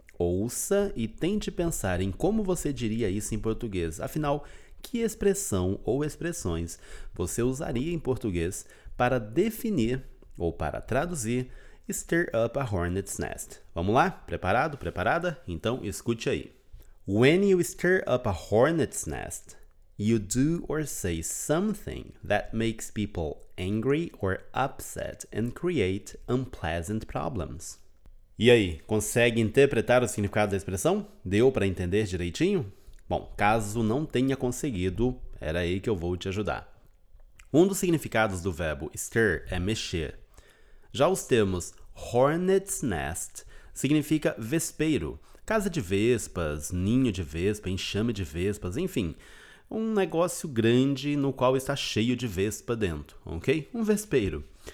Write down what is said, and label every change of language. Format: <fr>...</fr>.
<pt>Ouça e tente pensar em como você diria isso em português. Afinal, que expressão ou expressões você usaria em português para definir ou para traduzir</pt> <en>stir up a hornet's nest?</en> <pt>Vamos lá? Preparado? Preparada? Então escute aí.</pt> <en>When you stir up a hornet's nest, you do or say something that makes people angry or upset and create unpleasant problems.</en> <pt>E aí, consegue interpretar o significado da expressão? Deu para entender direitinho? Bom, caso não tenha conseguido, era aí que eu vou te ajudar. Um dos significados do verbo stir é mexer. Já os termos hornet's nest significa vespeiro, casa de vespas, ninho de vespa, enxame de vespas, enfim, um negócio grande no qual está cheio de vespa dentro, ok? Um vespeiro.</pt>